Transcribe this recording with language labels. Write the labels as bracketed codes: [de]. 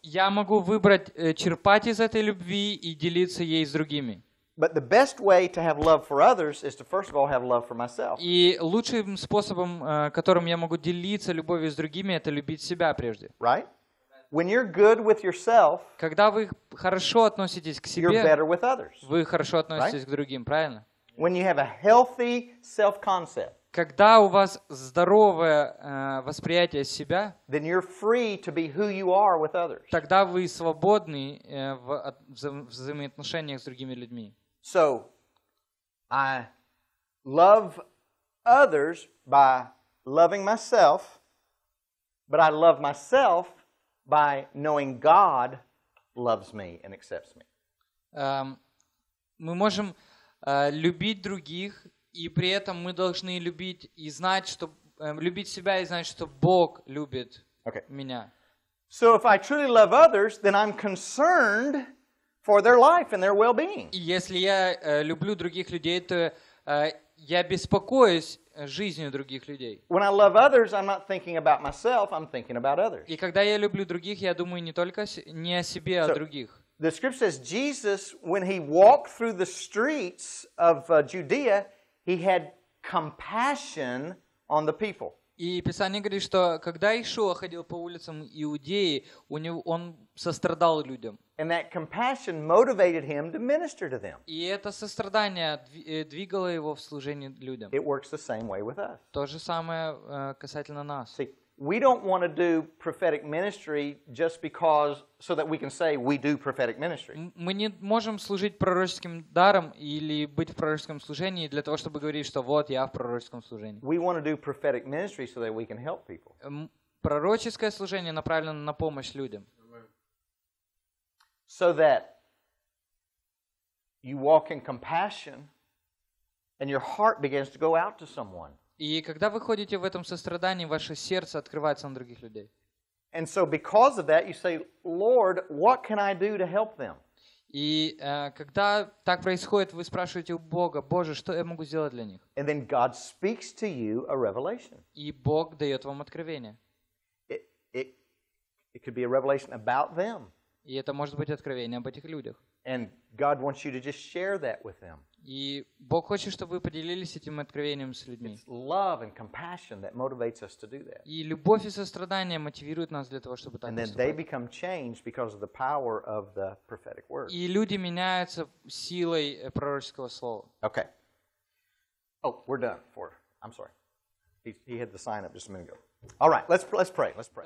[ru] Я могу выбрать черпать из этой любви и делиться ей с другими. [en] But the best way to have love for others is to first of all have love for myself. [ru] И лучшим способом, которым я могу делиться любовью с другими, это любить себя прежде. [en] Right? When you're good with yourself, [ru] когда вы хорошо относитесь к себе, [en] you're better with others. [ru] Вы хорошо относитесь к другим, правильно? [en] When you have a healthy self-concept, [ru] когда у вас здоровое восприятие себя, [en] then you're free to be who you are with others. [ru] Тогда вы свободны в взаимоотношениях с другими людьми. [en] So, I love others by loving myself, but I love myself by knowing God loves me and accepts me. [ru] Мы можем любить других. И при этом мы должны любить и знать, что любить себя и знать, что Бог любит [en] okay. [ru] меня. [en] So if I truly love others, then I'm concerned for their life and their well-being. [ru] И если я люблю других людей, то я беспокоюсь жизнью других людей. [en] When I love others, I'm not thinking about myself, I'm thinking about others. [ru] И когда я люблю других, я думаю не только не о себе, а о других. [en] The scripture says Jesus, when he walked through the streets of Judea, he had compassion on the people. [ru] И Писание говорит, что когда Иешуа ходил по улицам Иудеи, у него, он сострадал людям. [en] And that compassion motivated him to minister to them. [ru] И это сострадание двигало его в служении людям. [en] It works the same way with us. [ru] То же самое касательно нас. [en] See, we don't want to do prophetic ministry just because, so that we can say we do prophetic ministry. [ru] Мы не можем служить пророческим даром или быть в пророческом служении для того, чтобы говорить, что вот я в пророческом служении. [en] We want to do prophetic ministry so that we can help people. [ru] Пророческое служение направлено на помощь людям. [en] So that you walk in compassion and your heart begins to go out to someone. [ru] И когда вы ходите в этом сострадании, ваше сердце открывается на других людей. [en] And so because of that, you say, Lord, what can I do to help them? [ru] И когда так происходит, вы спрашиваете у Бога, Боже, что я могу сделать для них? [en] And then God speaks to you a revelation. [ru] И Бог дает вам откровение. [en] It could be a revelation about them. [ru] И это может быть откровение об этих людях. [en] And God wants you to just share that with them. [ru] И Бог хочет, чтобы вы поделились этим откровением с людьми. [en] It's love and compassion that motivates us to do that. [ru] И любовь и сострадание мотивируют нас для того, чтобы так [en] and [ru] поступать. [en] And then they become changed because of the power of the prophetic word. [ru] И люди меняются силой пророческого слова. [en] Okay. Oh, we're done. I'm sorry. He had the sign up just a minute ago. All right, let's pray. Let's pray.